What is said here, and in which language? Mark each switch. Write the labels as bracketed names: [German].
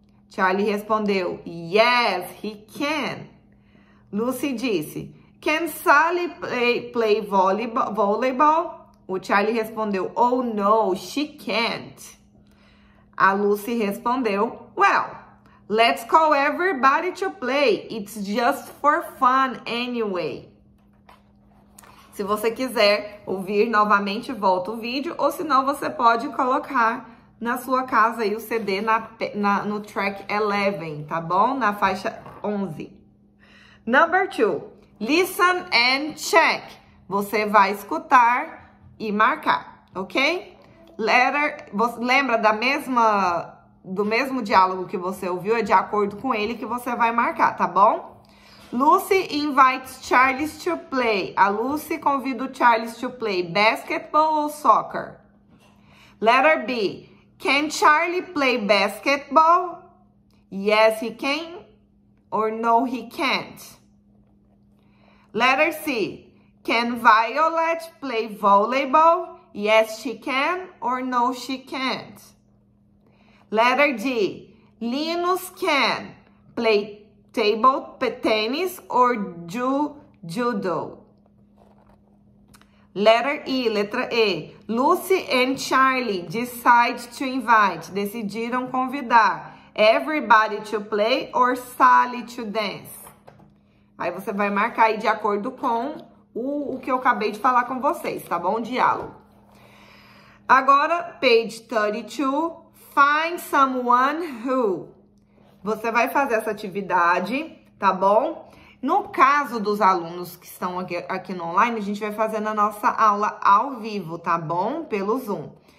[English] Charlie [Portuguese] respondeu: [English] Yes, he can. Lucy [Portuguese] disse: [English] Can Sally play volleyball? [Portuguese] O Charlie respondeu: [English] Oh no, she can't. [Portuguese] A Lucy respondeu: [English] Well, let's call everybody to play. It's just for fun anyway. [Portuguese] Se você quiser ouvir novamente, volta o vídeo, ou senão você pode colocar na sua casa aí o CD no track 11, tá bom? Na faixa 11. [English] Number 2. Listen and check. [Portuguese] Você vai escutar e marcar, ok? Lembra do mesmo diálogo que você ouviu? É de acordo com ele que você vai marcar, tá bom? [English] Lucy invites Charles to play. [Portuguese] A Lucy convida o Charles [English] to play basketball [Portuguese] ou [English] soccer? Letter B. Can Charlie play basketball? Yes, he can. Or no, he can't. Letter C. Can Violet play volleyball? Yes, she can. Or no, she can't. Letter D. Linus can play table tennis or judo. [Portuguese] Letra E. [English] Lucy and Charlie decide to invite. [Portuguese] Decidiram convidar [English] everybody to play or Sally to dance. [Portuguese] Aí você vai marcar aí de acordo com o que eu acabei de falar com vocês, tá bom? Diálogo. Agora, [English] page 32. Find someone who. [Portuguese] Você vai fazer essa atividade, tá bom? No caso dos alunos que estão aqui no online, a gente vai fazer na nossa aula ao vivo, tá bom? Pelo Zoom.